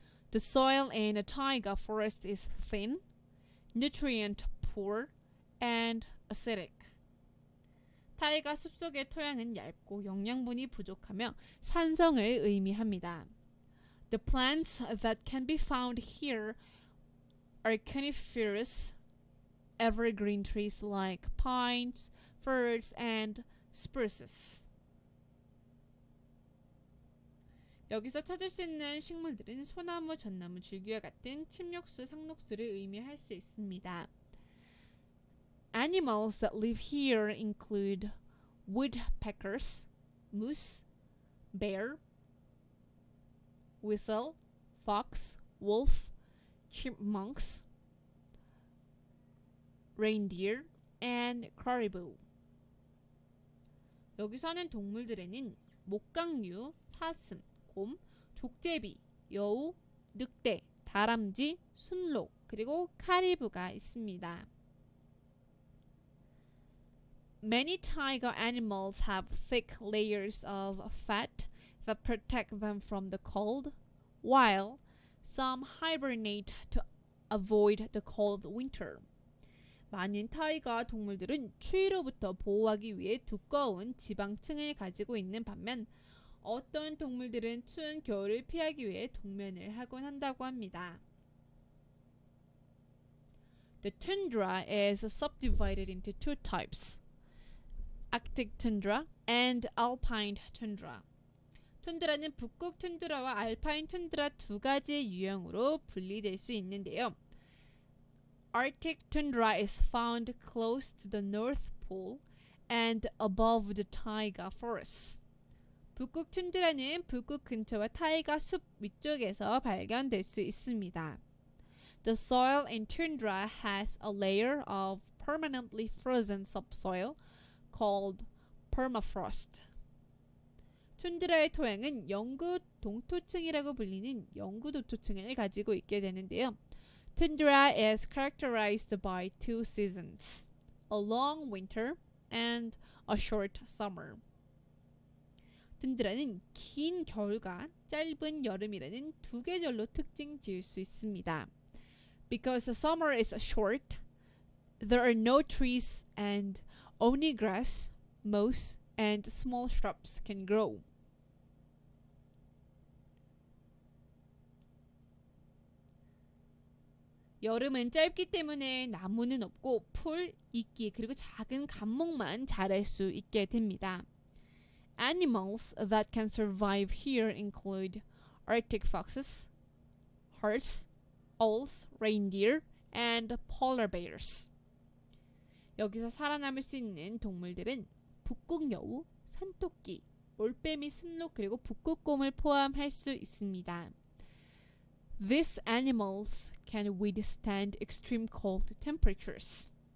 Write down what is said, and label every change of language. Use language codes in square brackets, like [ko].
[en] The soil in a taiga forest is thin, nutrient poor, and acidic. [ko] 타이가 숲속의 토양은 얇고 영양분이 부족하며 산성을 의미합니다. [en] The plants that can be found here are coniferous evergreen trees like pines, firs, and spruces. [ko] 여기서 찾을 수 있는 식물들은 소나무, 전나무, 줄기와 같은 침력수, 상록수를 의미할 수 있습니다. [en] Animals that live here include woodpeckers, moose, bear, weasel, fox, wolf, chipmunks, reindeer, and caribou. [ko] 여기 사는 동물들에는 목강류, 사슴, 곰, 족제비, 여우, 늑대, 다람쥐, 순록, 그리고 카리브가 있습니다. [en] Many tiger animals have thick layers of fat that protect them from the cold, while some hibernate to avoid the cold winter. [ko] 많은 타이거 동물들은 추위로부터 보호하기 위해 두꺼운 지방층을 가지고 있는 반면 어떤 동물들은 추운 겨울을 피하기 위해 동면을 하곤 한다고 합니다. [en] The tundra is subdivided into two types. Arctic tundra and alpine tundra. [ko] 툰드라는 북극 툰드라와 알파인 툰드라 두 가지의 유형으로 분리될 수 있는데요. [en] Arctic tundra is found close to the North Pole and above the taiga forest. [ko] 북극 툰드라는 북극 근처와 타이가 숲 위쪽에서 발견될 수 있습니다. [en] The soil in tundra has a layer of permanently frozen subsoil called permafrost. [ko] 툰드라의 토양은 영구 동토층이라고 불리는 영구 도토층을 가지고 있게 되는데요. [en] Tundra is characterized by two seasons, a long winter and a short summer. [ko] 툰드라는 긴 겨울과 짧은 여름이라는 두 계절로 특징 지을 수 있습니다. [en] Because the summer is short, there are no trees and only grass, moss, and small shrubs can grow. [ko] 여름은 짧기 때문에 나무는 없고 풀, 이끼, 그리고 작은 감목만 자랄 수 있게 됩니다. [en] Animals that can survive here include Arctic foxes, hares, owls, reindeer, and polar bears. [ko] 여기서 살아남을 수 있는 동물들은 북극여우, 산토끼, 올빼미, 순록, 그리고 북극곰을 포함할 수 있습니다. [en] These animals can withstand extreme cold temperatures.